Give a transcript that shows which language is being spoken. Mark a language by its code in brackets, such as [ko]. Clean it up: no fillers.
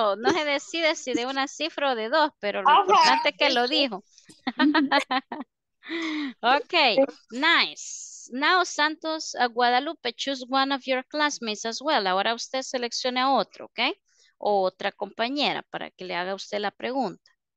[es] Okay, so no se decide si de una cifra o de dos, pero lo importante es que lo dijo. [en] Okay, nice. Now, Santos Guadalupe, choose one of your classmates as well. [es] Ahora usted seleccione a otro, okay? O otra compañera para que le haga usted la pregunta.